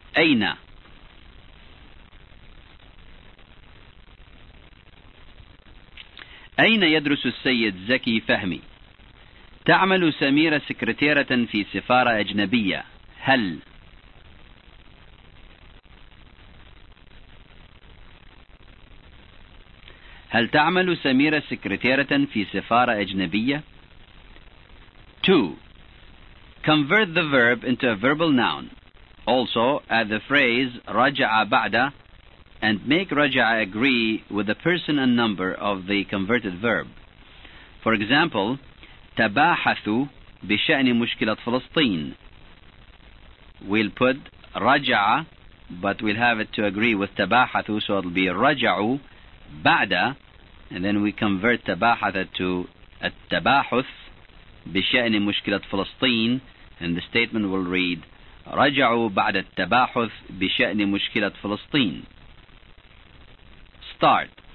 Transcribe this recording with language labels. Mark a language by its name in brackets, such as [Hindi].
[Arabic] أين؟ أين يدرس السيد زكي فهمي؟ تعمل سميرة سكرتيرة في سفارة أجنبية. هل؟ هل تعمل سميرة سكرتيرة في سفارة أجنبية؟ 2. [English] Convert the verb into a verbal noun. Also, add the phrase [Arabic] رجع بعد [English] and make رجع agree with the person and number of the converted verb. For example, [Arabic] تباحثوا بشأن مشكلة فلسطين. [English] We'll put رجع but we'll have it to agree with tabahathu, so it'll be [Arabic] raja'u ba'da, [English] and then we convert tabahatha to at-tabahuth bisha'ni mushkilat Falastin, and the statement will read [Arabic] raja'u ba'da at-tabahuth bisha'ni mushkilat Falastin. [English] Start.